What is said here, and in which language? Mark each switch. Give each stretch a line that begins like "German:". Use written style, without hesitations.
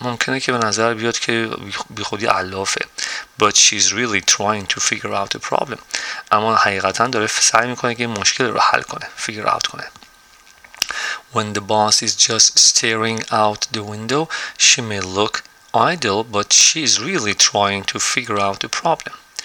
Persian: ممکنه که به نظر بیاد که بی خودی علافه.
English: But she's really trying to figure out the problem.
Persian: اما حقیقتا داره سعی میکنه که مشکل رو حل کنه.
English: Figure out
Persian: کنه.
English: When the boss is just staring out the window, she may look idle, but she's really trying to figure out the problem.